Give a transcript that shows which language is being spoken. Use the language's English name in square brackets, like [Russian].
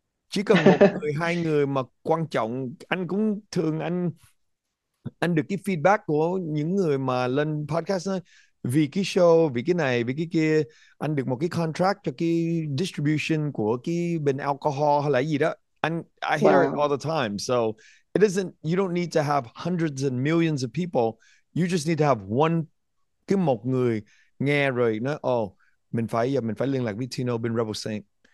[Vietnamese] chỉ cần một người hai người mà quan trọng, anh cũng thường anh được cái feedback của những người mà lên podcast ấy, vì cái show, vì cái này, vì cái kia, anh được một cái contract cho cái distribution của cái bên alcohol hay là gì đó. [English] I hear it Wow. all the time. So it isn't, you don't need to have hundreds and millions of people. You just need to have one, [Vietnamese] cái một người nghe rồi nói, oh, mình phải liên lạc với Tino bên Rebel Saint.